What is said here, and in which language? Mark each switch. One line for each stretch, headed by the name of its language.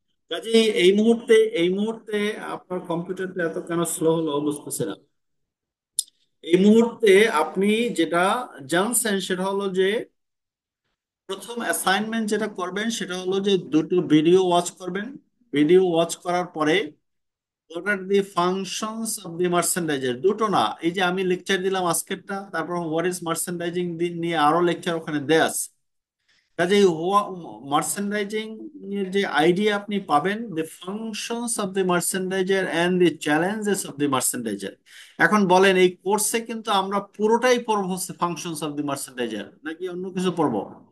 Bangla: কাজে এই মুহূর্তে আপনার কম্পিউটারটা এত কেন স্লো হলো বুঝতেছি না। এই মুহূর্তে আপনি যেটা জানছেন সেটা হলো যে প্রথম অ্যাসাইনমেন্ট যেটা করবেন সেটা হলো যে দুটো ভিডিও ওয়াচ করবেন। ভিডিও ওয়াচ করার পরে
English: What are the functions of the merchandiser?
Bangla: দুটো না, এই যে আমি লেকচার দিলাম আজকেরটা, তারপর হোয়াট ইজ মার্চেন্ডাইজিং দিন নিয়ে আরো লেকচার ওখানে দেয়া আছে। কাজে মার্চেন্ডাইজিং এর যে আইডিয়া আপনি পাবেন,
English: The functions of the merchandiser and the challenges of the merchandiser.
Bangla: এখন বলেন এই কোর্সে কিন্তু আমরা পুরোটাই পড়বো হচ্ছে ফাংশনস অফ দি মার্চেন্ডাইজার, নাকি অন্য কিছু পড়বো?